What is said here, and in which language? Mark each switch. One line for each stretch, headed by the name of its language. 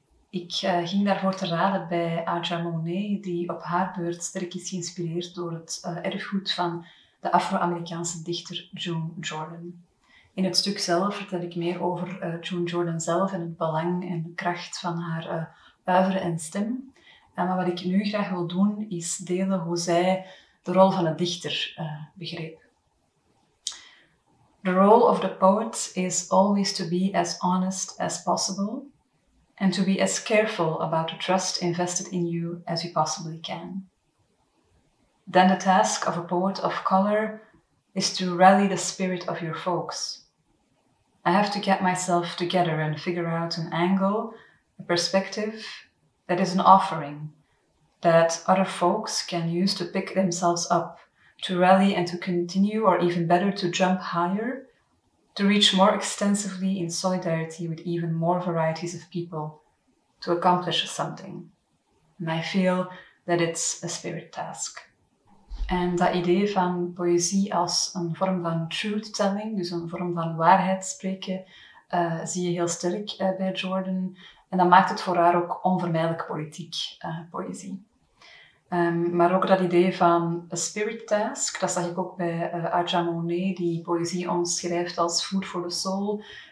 Dutch: Ik ging daarvoor te raden bij Aja Monet, die op haar beurt sterk is geïnspireerd door het erfgoed van de Afro-Amerikaanse dichter June Jordan. In het stuk zelf vertel ik meer over June Jordan zelf en het belang en de kracht van haar uiveren en stem. Maar wat ik nu graag wil doen, is delen hoe zij de rol van de dichter begreep.
English: The role of the poet is always to be as honest as possible and to be as careful about the trust invested in you as you possibly can. Then the task of a poet of color is to rally the spirit of your folks. I have to get myself together and figure out an angle, a perspective that is an offering that other folks can use to pick themselves up, to rally and to continue, or even better, to jump higher, to reach more extensively in solidarity with even more varieties of people, to accomplish something. And I feel that it's a spirit task.
Dutch: En dat idee van poëzie als een vorm van truth-telling, dus een vorm van waarheid spreken, zie je heel sterk bij Jordan. En dat maakt het voor haar ook onvermijdelijk politiek, poëzie. Maar ook dat idee van
English: a spirit task,
Dutch: dat zag ik ook bij Aja Monet, die poëzie omschrijft als
English: food for the soul.